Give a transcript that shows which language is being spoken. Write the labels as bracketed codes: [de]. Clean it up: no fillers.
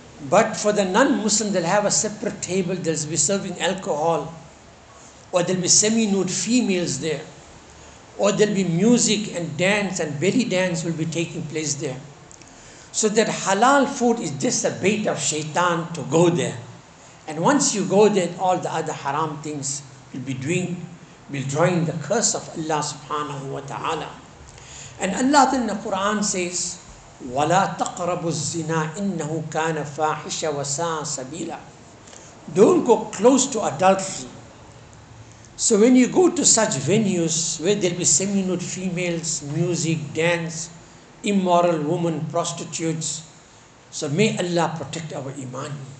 [en] But for the non-Muslim, they'll have a separate table, they'll be serving alcohol, or there'll be semi-nude females there, or there'll be music and dance and belly dance will be taking place there. So that halal food is just a bait of shaitan to go there. And once you go there, all the other haram things will be doing, will drawing the curse of Allah subhanahu wa ta'ala. And Allah in the Quran says, [ar] وَلَا تَقْرَبُوا الزِّنَا إِنَّهُ كَانَ فَاحِشَ وَسَاءَ سَبِيلًا. [en] Don't go close to adultery. So when you go to such venues where there'll be semi-nude females, music, dance, immoral women, prostitutes, so may Allah protect our iman.